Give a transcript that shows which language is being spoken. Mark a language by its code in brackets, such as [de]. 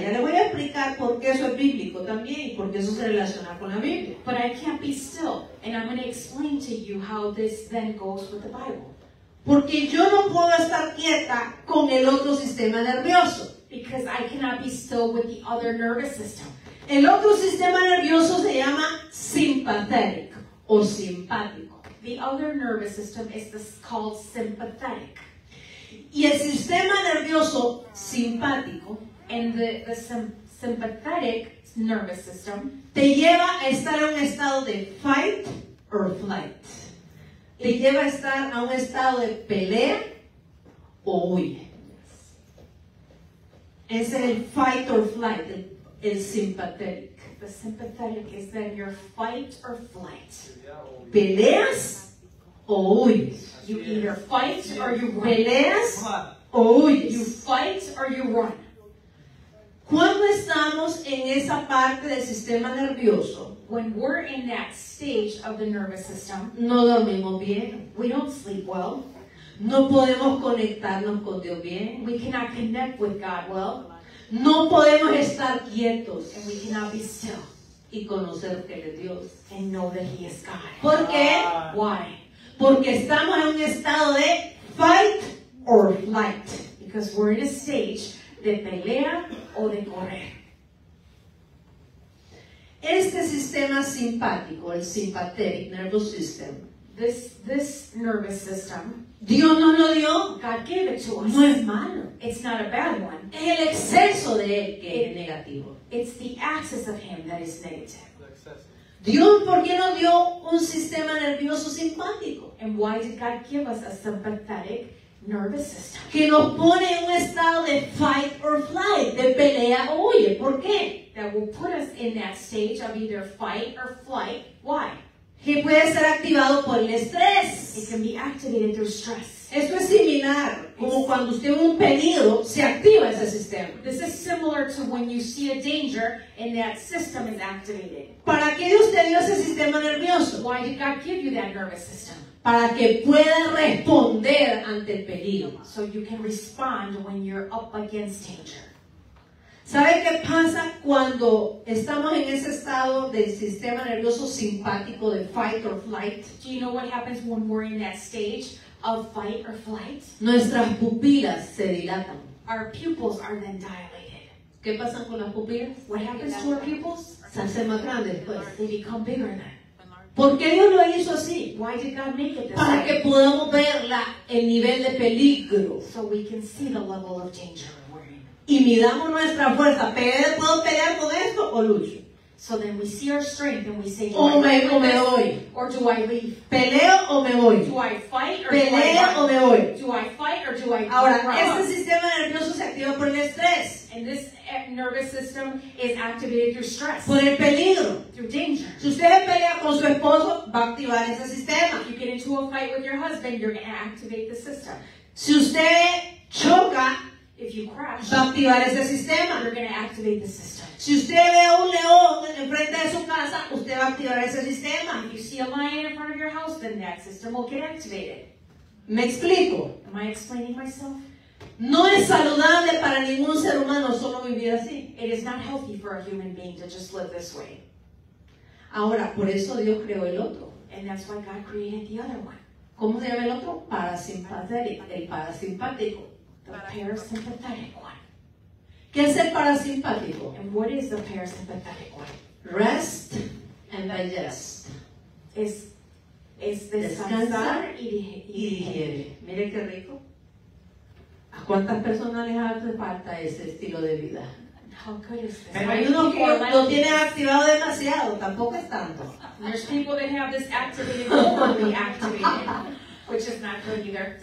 [es] Ya le voy a explicar por qué eso es bíblico también y por qué eso se relaciona con la Biblia. [en] But I can't be still, and I'm going to explain to you how this then goes with the Bible. [es] Porque yo no puedo estar quieta con el otro sistema nervioso. [en] Because I cannot be still with the other nervous system. [es] El otro sistema nervioso se llama sympathetic o simpático. [en] The other nervous system is called sympathetic. [es] Y el sistema nervioso simpático, [en] and the sympathetic nervous system, [es] te lleva a estar en un estado de [en] fight or flight. [es] Te lleva a estar a un estado de pelea o huye. Ese es el [en] fight or flight, [es] el sympathetic. [en] The sympathetic is then your fight or flight. [es] Peleas o huyes. [en] You either fight or you run. [es] Peleas o huyes. [en] You fight or you run. [es] Cuando estamos en esa parte del sistema nervioso, [en] when we're in that stage of the nervous system, [es] no dormimos bien. [en] We don't sleep well. [es] No podemos conectarnos con Dios bien. [en] We cannot connect with God well. [es] No podemos estar quietos. [en] And we cannot be still. [es] Y conocer que Él es Dios. [en] And know that He is God. [es] ¿Por qué? [en] Why? [es] Porque estamos en un estado de [en] fight or flight. Because we're in a stage [es] de pelea o de correr. Este sistema simpático, el [en] sympathetic nervous system, this nervous system, [es] Dios nos lo dio, [en] God gave it to us. [es] No es malo. [en] It's not a bad one. [es] Es el exceso de él que es negativo. [en] It's the excess of him that is negative. [es] Dios, ¿por qué nos dio un sistema nervioso simpático? [en] And why did God give us a sympathetic nervous system? [es] Que nos pone en un estado de [en] fight or flight, [es] de pelea o huye. ¿Por qué? [en] That will put us in that stage of either fight or flight. Why? [es] Que puede ser activado por el estrés. [en] It can be activated through stress. [es] Esto es similar, como cuando usted ve un peligro, se activa ese sistema. [en] This is similar to when you see a danger and that system is activated. [es] ¿Para qué Dios te dio ese sistema nervioso? [en] Why did God give you that nervous system? [es] Para que pueda responder ante el peligro. [en] So you can respond when you're up against danger. [es] ¿Sabe qué pasa cuando estamos en ese estado del sistema nervioso simpático de [en] fight or flight? Do you know what happens when we're in that stage of fight or flight? [es] Nuestras pupilas se dilatan. [en] Our pupils are then dilated. [es] ¿Qué pasa con las pupilas? [en] What happens to our pupils? [es] Se hacen más grandes, pues. [en] They become bigger then. [es] ¿Por qué Dios lo hizo así? [en] Why did God make it this [es] Para [en] way? [es] Que podamos ver el nivel de peligro. [en] So we can see the level of danger. [es] Y midamos nuestra fuerza. ¿Puedo pelear con esto o lucho? [en] So then we see our strength and we say, do o I fight or [es] me voy? [en] Or do I leave? [es] ¿Peleo o me voy? [en] Do I fight or [es] Peleo [en] do I [es] o me voy? [en] Do I fight or do I [es] Ahora, este sistema nervioso se activa por el estrés. [en] And this nervous system is activated through stress. [es] Por el peligro. [en] Through danger. [es] Si usted pelea con su esposo, va a activar ese sistema. [en] If you get into a fight with your husband, you're going to activate the system. [es] Si usted choca, [en] if you crash, [es] va a activar ese sistema. [en] You're going to activate the system. [es] Si usted ve un león en frente de su casa, usted va a activar ese sistema. [en] If you see a lion in front of your house, then that system will get activated. [es] ¿Me explico? [en] Am I explaining myself? [es] No es saludable para ningún ser humano solo vivir así. [en] It is not healthy for a human being to just live this way. [es] Ahora, por eso Dios creó el otro. [en] And that's why God created the other one. [es] ¿Cómo se llama el otro? Parasimpatético. El parasimpático. [en] The parasympathetic one. [es] ¿Qué es el parasimpático? [en] And what is the parasympathetic one? Rest and digest. [es] Es descansar y digerir. Mire qué rico. ¿A cuántas personas les hace falta ese estilo de vida? [en] How good is this? [es] Pero hay uno que lo tiene activado demasiado, tampoco es tanto. [en] There's people that have this activated or deactivated, which is not good either.